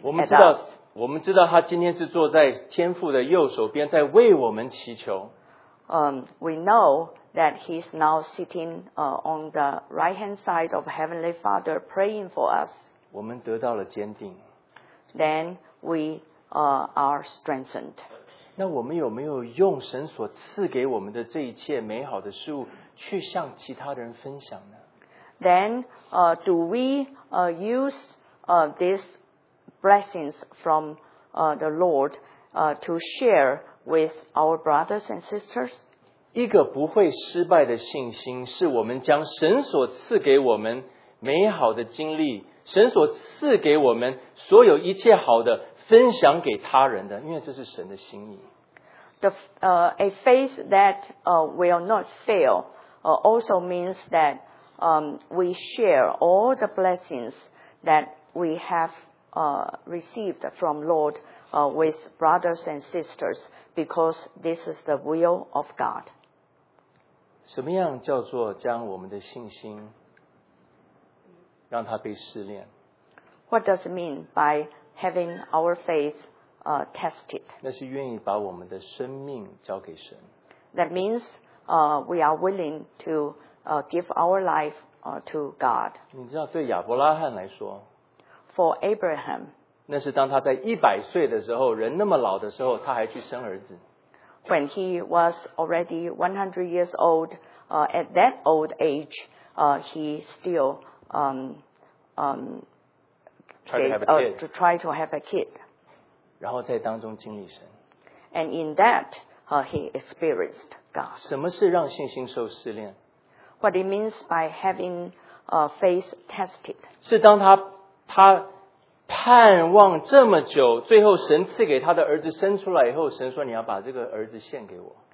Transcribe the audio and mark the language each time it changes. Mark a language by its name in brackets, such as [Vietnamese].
[Chinese] 我们知道，我们知道他今天是坐在天父的右手边，在为我们祈求。 [English] We know that he's now sitting on the right hand side of Heavenly Father, praying for us. [Chinese] 我们得到了坚定。 [English] Then we are strengthened. [Chinese] 那我们有没有用神所赐给我们的这一切美好的事物去向其他人分享呢？ [English] Then do we use these blessings from the Lord to share with our brothers and sisters? [Chinese] 一个不会失败的信心是我们将神所赐给我们美好的经历，神所赐给我们所有一切好的分享给他人的，因为这是神的心意。 [English] A faith that will not fail also means that we share all the blessings that we have received from Lord with brothers and sisters because this is the will of God. [Chinese] 什么样叫做将我们的信心让它被试炼？ [English] What does it mean by having our faith tested? [Chinese] 那是愿意把我们的生命交给神。 [English] That means we are willing to give our life to God. [Chinese] 你知道对亚伯拉罕来说， [English] For Abraham, [Chinese] 那是当他在100岁的时候，人那么老的时候，他还去生儿子。 [English] When he was already 100 years old, at that old age, he still try to have a kid. [Chinese] 然后在当中经历神。 [English] And in that, he experienced God. [Chinese] 什么是让信心受试炼？ [English] What it means by having faith tested. [Chinese] 是当他盼望这么久，最后神赐给他的儿子生出来以后，神说你要把这个儿子献给我。